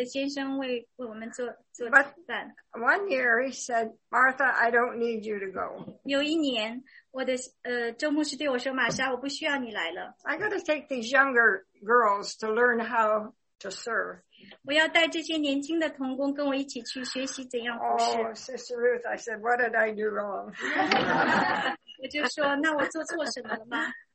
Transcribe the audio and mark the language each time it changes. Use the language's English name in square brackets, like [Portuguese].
[Chinese] 我们每次停留六到七个礼拜，我的先生为我们做饭。 [English] One year he said, Martha, I don't need you to go. [Chinese] 有一年，我的周牧师对我说，玛莎，我不需要你来了。 [English] I got to take these younger girls to learn how to serve. [Chinese] 我要带这些年轻的同工跟我一起去学习怎样服侍。 [English] Oh, Sister Ruth, I said, what did I do wrong? [Chinese] 我就说,那我做错什么了吗?